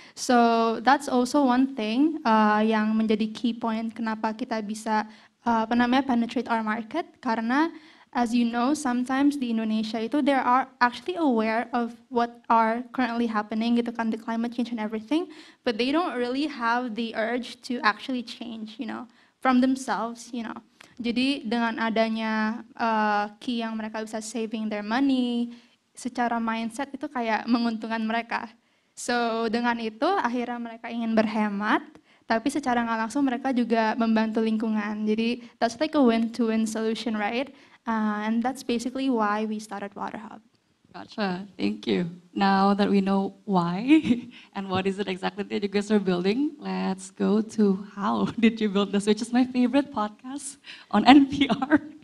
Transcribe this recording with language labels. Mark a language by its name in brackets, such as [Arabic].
[English] So that's also one thing [Indonesian] yang menjadi key point kenapa kita bisa [English] penetrate our market, karena as you know, sometimes [Indonesian] di Indonesia itu [English] they are actually aware of what are currently happening gitu kan, the climate change and everything, but they don't really have the urge to actually change, you know, from themselves, you know. [Indonesian] Jadi dengan adanya key yang mereka bisa [English] saving their money, [Indonesian] secara mindset itu kayak menguntungkan mereka. So dengan itu akhirnya mereka ingin berhemat, tapi secara nggak langsung mereka juga membantu lingkungan. [English] Jadi that's like a win-to-win solution, right? And that's basically why we started WaterHub. Gotcha, thank you. Now that we know why and what is it exactly that you guys are building, let's go to how did you build this, which is my favorite podcast on NPR.